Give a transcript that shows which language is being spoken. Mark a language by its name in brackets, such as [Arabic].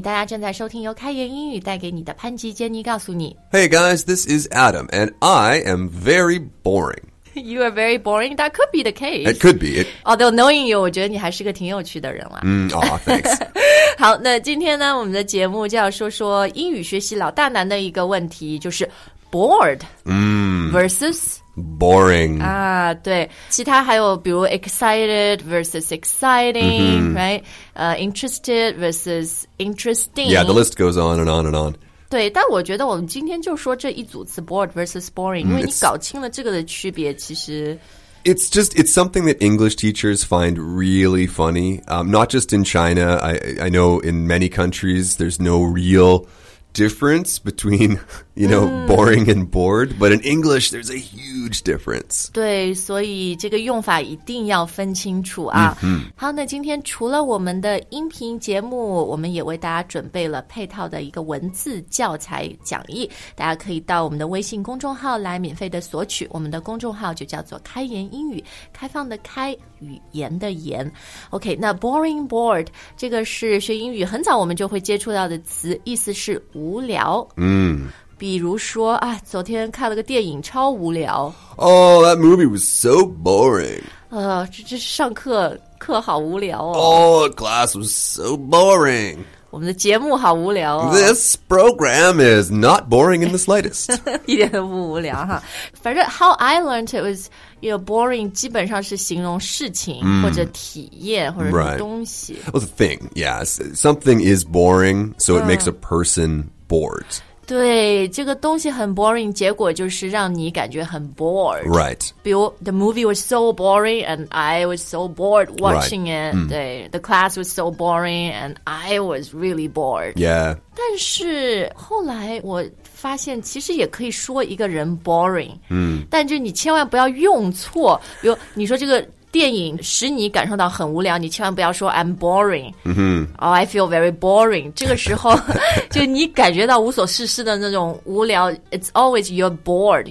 [Chinese] 大家正在收听由开言英语带给你的潘吉 Jenny 告诉你。 [English] Hey guys, this is Adam, and I am very boring. You are very boring. That could be the case. It could be. Although knowing you, [Chinese] 我觉得你还是个挺有趣的人啦。 [English] Thanks. [Chinese] 好，那今天呢，我们的节目就要说说英语学习老大难的一个问题，就是 [English] bored versus boring. [Chinese] 啊，对，其他还有比如 [English] excited versus exciting,、 [Chinese] mm-hmm. [English] right? Interested versus interesting. Yeah, the list goes on and on and on. [Chinese] 对，但我觉得我们今天就说这一组词 [English] bored versus boring, [Chinese] 因为你搞清了这个的区别其实 [English] It's something that English teachers find really funny,、not just in China, I know in many countries there's no real difference between, you know,、boring and bored, but in English there's a huge difference. [Chinese] 对，所以这个用法一定要分清楚啊。好，那今天除了我们的音频节目，我们也为大家准备了配套的一个文字教材讲义，大家可以到我们的微信公众号来免费的索取，我们的公众号就叫做开言英语，开放的开，语言的言。 OK, 那 boring, bored, 这个是学英语很早我们就会接触到的词，意思是无聊。比如说啊，昨天看了个电影超无聊。 [English] Oh, that movie was so boring. [Chinese] 这上课课好无聊哦。 [English] Oh, class was so boring. [Chinese] 我们的节目好无聊哦。 [English] This program is not boring in the slightest. [Chinese] 一点都不无聊哈。反正 [English] how I learned it was, you know, [Chinese] boring 基本上是形容事情、或者体验或者是东西。 [English] Right. It was a thing, yes. Something is boring, so it makes a person bored. [Chinese] 对，这个东西很 boring, 结果就是让你感觉很 bored. [English] Right. [Chinese] 比如 [English] the movie was so boring and I was so bored watching it. Right. 对、the class was so boring and I was really bored. Yeah. [Chinese] 但是后来我发现其实也可以说一个人 boring. 但就你千万不要用错。比如你说这个电影使你感受到很无聊，你千万不要说 [English] I'm boring. Oh, I feel very boring. [Chinese] 这个时候就你感觉到无所事事的那种无聊， [English] It's always you're bored.